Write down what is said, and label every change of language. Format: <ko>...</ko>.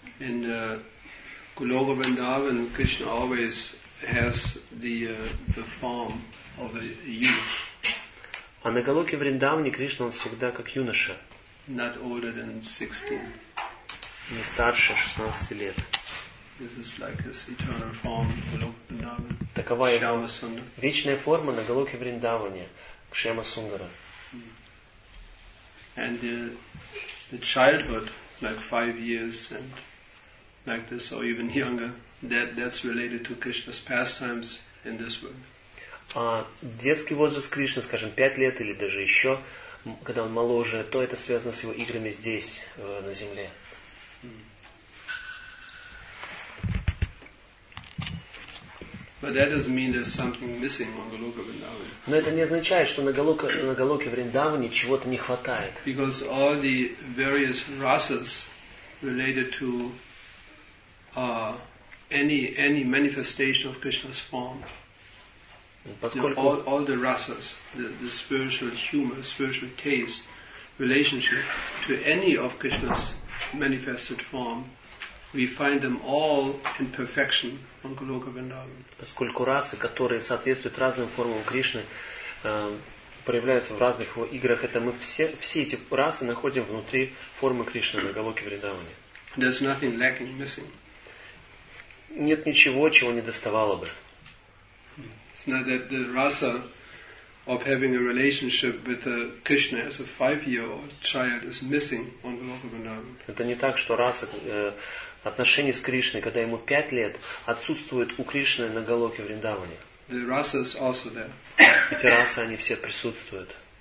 <en>In the Kuloka Vrindavan, Krishna always has the form of a youth.</en> <ru>А на Галоке Вриндаване Кришна он всегда как юноша.</ru> <en>Not older than 16.</en> <ru>Не старше 16 лет.</ru> <en>This is like his eternal form, Kuloka Vrindavan.</en> <ru>Такова его вечная форма на Галоке Вриндаване, Кшема Сундара.</ru> <en>And the childhood, like 5 years and like this, or even younger, that's related to Krishna's pastimes in this world.</en> <ru>А детский возраст Кришны, скажем, 5 лет или даже еще, когда он моложе, то это связано с его играми здесь, на земле.</ru> <en>But that doesn't mean there's something missing on Goloka Vrindavan.</en> <ru>Но это не означает, что на Голоке Вриндаване чего-то не хватает.</ru> <en>Because all the various rasas related to any manifestation of Krishna's form. All the rasas, the spiritual humor, spiritual taste, relationship to any of Krishna's manifested form, we find them all in perfection on Goloka Vrindavan.</en> <ru>Поскольку расы, которые соответствуют разным формам Кришны, проявляются в разных его играх, это мы все эти расы находим внутри формы Кришны на Голоке Вриндаване.</ru> <en>There's nothing lacking, missing.</en> <ru>Нет ничего, чего не доставало бы.</ru> <en>Now that the rasa of having a relationship with Krishna as a 5-year-old child is missing on Goloka Vrindavan.</en> <ru>Это не так, что раса отношения с Кришной, когда ему 5 лет, отсутствует у Кришны на Голоке Вриндаване.</ru> <en>The rasa is also there.</en> <ru>Эти расы, они все присутствуют.</ru>